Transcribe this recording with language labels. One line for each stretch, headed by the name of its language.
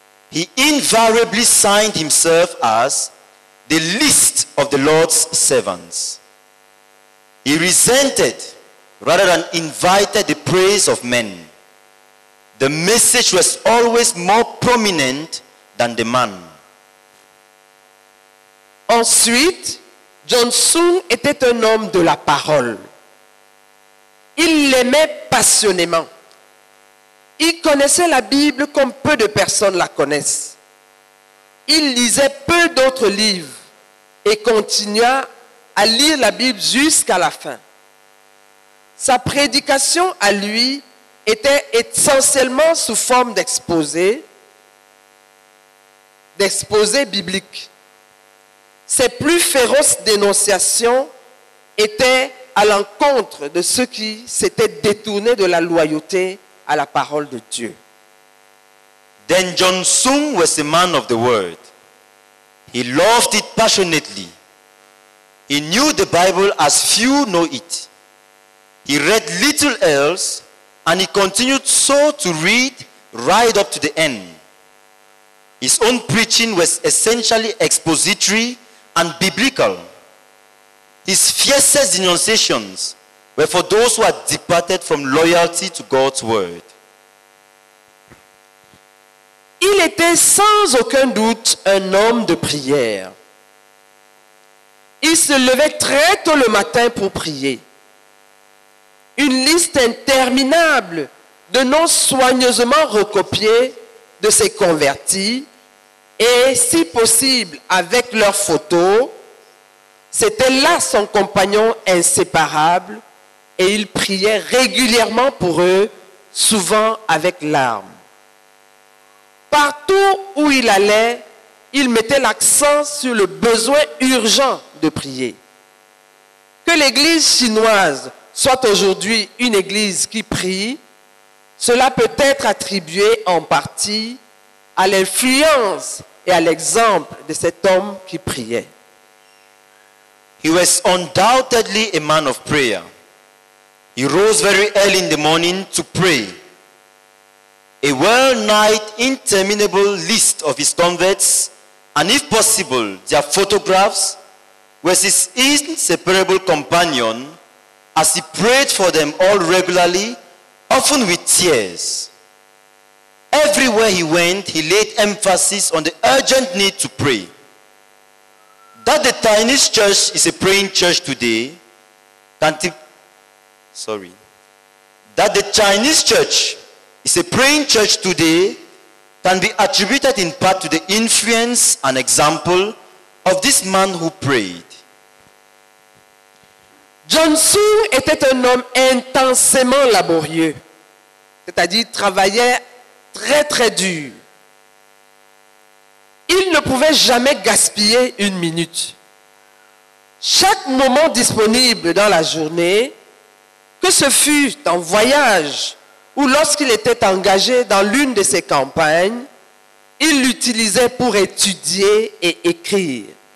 English: He invariably signed himself as the least of the Lord's servants. He resented rather than invited the praise of men. The message was always more prominent than the man.
French: Ensuite, John Soon était un homme de la parole. Il l'aimait passionnément. Il connaissait la Bible comme peu de personnes la connaissent. Il lisait peu d'autres livres et continua à lire la Bible jusqu'à la fin. Sa prédication à lui était essentiellement sous forme d'exposé biblique. Ses plus féroces dénonciations étaient à l'encontre de ceux qui s'étaient détournés de la loyauté à la parole de Dieu.
English: Then John Soon was a man of the word. He loved it passionately. He knew the Bible as few know it. He read little else, and he continued so to read right up to the end. His own preaching was essentially expository and biblical. His fiercest denunciations were for those who had departed from loyalty to God's word.
French: Il était sans aucun doute un homme de prière. Il se levait très tôt le matin pour prier. Une liste interminable de noms soigneusement recopiés de ses convertis et, si possible, avec leurs photos, c'était là son compagnon inséparable et il priait régulièrement pour eux, souvent avec larmes. Partout où il allait, il mettait l'accent sur le besoin urgent de prier. Que l'Église chinoise soit aujourd'hui une église qui prie, cela peut être attribué en partie à l'influence et à l'exemple de cet homme qui priait.
English: He was undoubtedly a man of prayer. He rose very early in the morning to pray. A well-nigh interminable list of his converts, and if possible, their photographs, was his inseparable companion as he prayed for them all regularly, often with tears. Everywhere he went, he laid emphasis on the urgent need to pray. That the Chinese church is a praying church today, can be attributed in part to the influence and example of this man who prayed.
French: John Soon était un homme intensément laborieux, c'est-à-dire travaillait très très dur. Il ne pouvait jamais gaspiller une minute. Chaque moment disponible dans la journée, que ce fût en voyage ou lorsqu'il était engagé dans l'une de ses campagnes, il l'utilisait pour étudier et écrire.